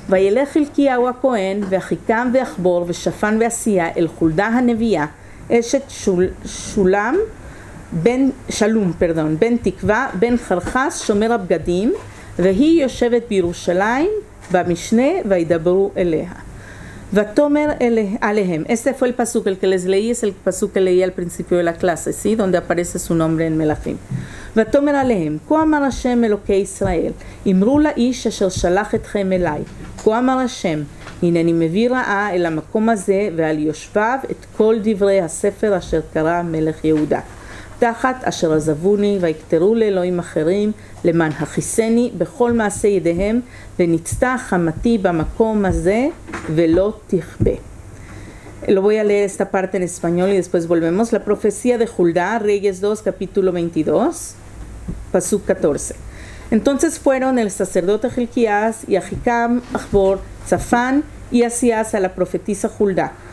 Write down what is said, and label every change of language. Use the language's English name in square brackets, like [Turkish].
[Hebrew] Vayelech Hilkiyahu HaKohen, Vehachikam Vehachbor, Veshafan Veasiyah, El Julda HaNeviyah, Eshet Shulam, Ben Shalom, perdón, Ben Tikva, Ben Charchas, Shomer Abgadim, והיא יושבת בירושלים, במשנה, וידברו אליה. ותומר עליהם. [Spanish] Este fue el pasuk, el que les leí, es el pasuk que leí al principio de la clase, ¿sí? Donde aparece su nombre en מלאכים. [Hebrew] ותומר עליהם. כה אמר השם אלוקי ישראל, אמרו לאיש אשר שלח אתכם אליי. כה אמר השם, הנה אני מביא רעה אל המקום הזה, ועל יושביו את כל דברי הספר אשר קרא מלך יהודה. תחת אשר עזבוני ויקטרו לאלוהים אחרים למען הכיסני בכל מעשה ידיהם ונצטה חמתי במקום הזה ולא תכבה. [Spanish] Lo voy a leer esta parte en español y después volvemos. La profecía de Julda, Reyes 2, capítulo 22, pasuk 14. Entonces fueron el sacerdote Hilkías y Ahikam, Achbor, Zafán y Asías a la profetisa Julda.